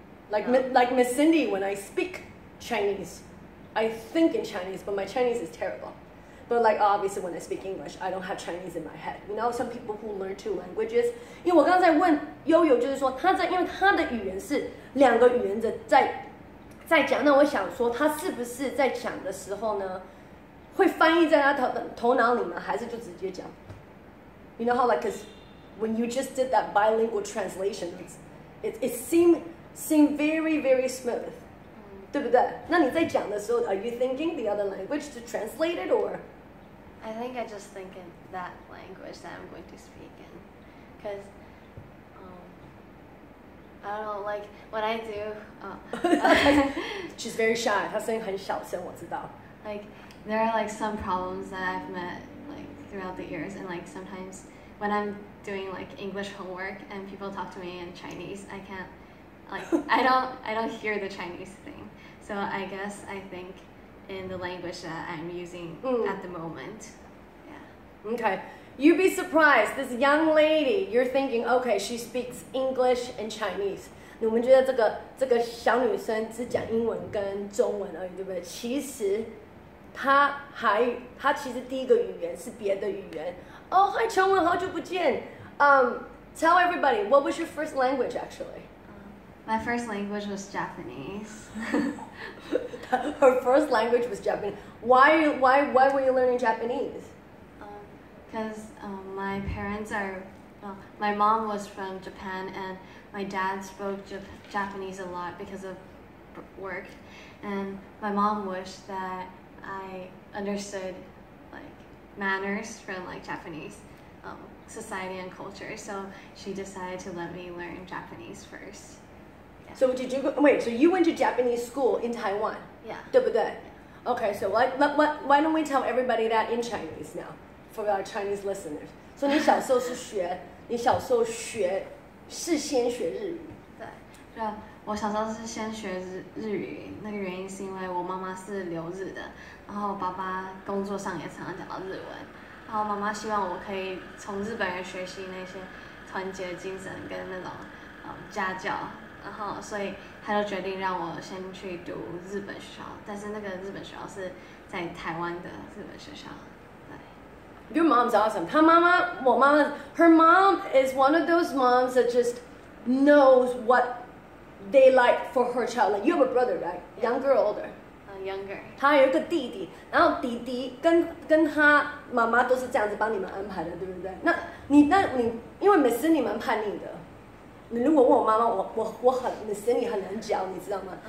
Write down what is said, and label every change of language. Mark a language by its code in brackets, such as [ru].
[en] Like Miss Cindy， when I speak Chinese， I think in Chinese， but my Chinese is terrible。 But like obviously when I speak English, I don't have Chinese in my head. You know, some people who learn two languages. [zh] 因为我刚才问悠悠，就是说他在，因为他的语言是两个语言的在讲。那我想说，他是不是在讲的时候呢，会翻译在他头脑里吗？还是就直接讲 [en] ？You know how like because when you just did that bilingual translation, it seemed very very smooth. [zh] 对不对？那你在讲的时候 [en] ，Are you thinking the other language to translate it or? I think I just think in that language that I'm going to speak in, because I don't know, like what I do. She's very shy. [zh] 她声音很小声，我知道。 [en] Like there are like some problems that I've met like throughout the years, and like sometimes when I'm doing like English homework and people talk to me in Chinese, I can't like I don't hear the Chinese thing. So I guess I think in the language that I'm using at the moment, yeah. Okay, you'd be surprised. This young lady, you're thinking, okay, she speaks English and Chinese. [zh] 你们觉得这个小女生只讲英文跟中文而已，对不对？其实他其实第一个语言是别的语言。 [en] Oh, hi, [zh] 成文，好久不见。 [en] Tell everybody, what was your first language, actually? My first language was Japanese. Her first language was Japanese. Why were you learning Japanese? Because my parents are, my mom was from Japan, and my dad spoke Japanese a lot because of work. And my mom wished that I understood like manners from like Japanese society and culture. So she decided to let me learn Japanese first. So did you go, wait, so you went to Japanese school in Taiwan? Yeah. [zh] 对不对? [en] Okay, so why don't we tell everybody that in Chinese now, for our Chinese listeners. So [zh] 你小时候是学, 你小时候学是先学日语。对, 我小时候是先学日语,那个原因是因为我妈妈是留日的,然后爸爸工作上也常常讲到日文,然后妈妈希望我可以从日本人学习那些团结精神跟那种家教。然后，所以他就决定让我先去读日本学校，但是那个日本学校是在台湾的日本学校。对 [en] ，Your mom's awesome. [zh] 她妈妈，我妈妈 [en] ，Her mom is one of those moms that just knows what they like for her child. Like you have a brother, right? Younger or older? Younger. [zh] 她有一个弟弟，然后弟弟跟她妈妈都是这样子帮你们安排的，对不对？那你因为每次你蛮叛逆的。你如果问我妈妈，我很，你心里很难教，你知道吗？